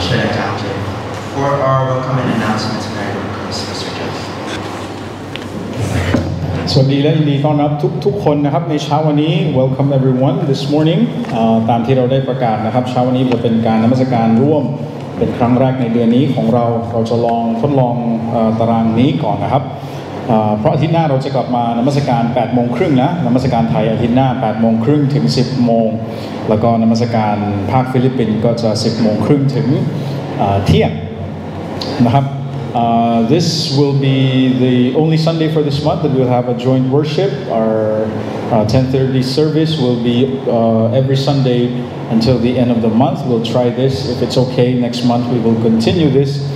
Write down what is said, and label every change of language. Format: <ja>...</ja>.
<en>For our welcome and announcements, may I request Mr. Jeff.</en> <th>สวัสดีและยินดีต้อนรับทุกคนนะครับในเช้าวันนี้</th> <en>Welcome everyone this morning.</en> <th>ตามที่เราได้ประกาศนะครับเช้าวันนี้จะเป็นการนมัสการร่วมเป็นครั้งแรกในเดือนนี้ของเราเราจะลองทดลองตารางนี้ก่อนนะครับเพราะอาทิตย์หน้าเราจะกลับมานมัสการ 8:00 นนะนมัสการไทยอาทิตย์หน้า 8:00 นถึง 10:00 นแล้วก็นมัสการภาคฟิลิปปินส์ก็จะ 10:00 นถึงเที่ยงนะครับ</th> <en>this will be the only Sunday for this month that we'll have a joint worship. Our 10:30 service will be every Sunday until the end of the month. We'll try this. If it's okay, next month we will continue this.</en>